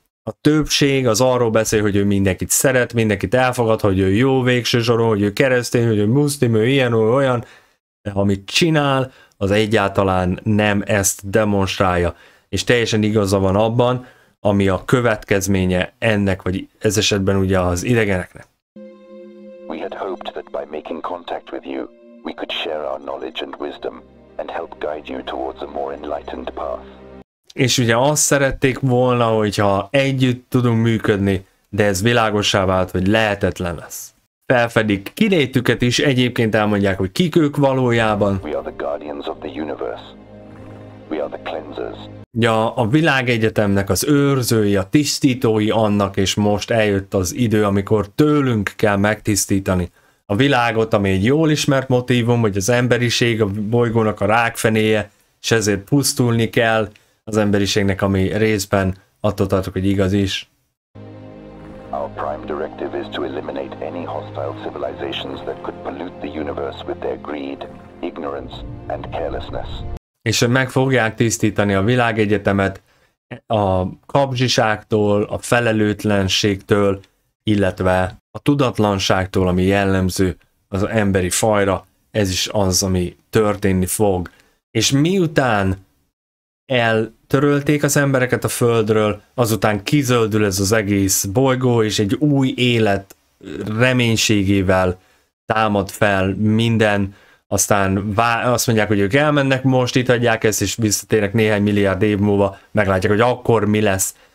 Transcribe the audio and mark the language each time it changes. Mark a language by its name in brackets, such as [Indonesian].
[Hungarian] A többség az arról beszél, hogy ő mindenkit szeret, mindenkit elfogad, hogy ő jó végső soron, hogy ő keresztény, hogy ő muszlim, ő ilyen, ő olyan, de amit csinál, az egyáltalán nem ezt demonstrálja. És teljesen igaza van abban, ami a következménye ennek, vagy ez esetben ugye az idegeneknek. [English] We had hoped that by making contact with you, we could share our knowledge and wisdom, and help guide you towards a more enlightened path. [Hungarian] És ugye azt szerették volna, hogyha együtt tudunk működni, de ez világossá vált, hogy lehetetlen lesz. Felfedik kilétüket is, egyébként elmondják, hogy kik ők valójában. [English] We are the guardians of the universe. We are the cleansers. [Hungarian] Ja, a világegyetemnek az őrzői, a tisztítói annak, és most eljött az idő, amikor tőlünk kell megtisztítani a világot, ami egy jól ismert motívum, hogy az emberiség a bolygónak a rákfenéje, és ezért pusztulni kell az emberiségnek, ami részben attól tartok, hogy igaz is. [English] Our prime directive is to eliminate any hostile civilizations that could pollute the universe with their greed, ignorance and carelessness. [Hungarian] És meg fogják tisztítani a világegyetemet a kapzsiságtól, a felelőtlenségtől, illetve a tudatlanságtól, ami jellemző az emberi fajra, ez is az, ami történni fog. És miután eltörölték az embereket a földről, azután kizöldül ez az egész bolygó, és egy új élet reménységével támad fel minden, aztán azt mondják, hogy ők elmennek most, itt hagyják ezt, és visszatérnek néhány milliárd év múlva, meglátják, hogy akkor mi lesz.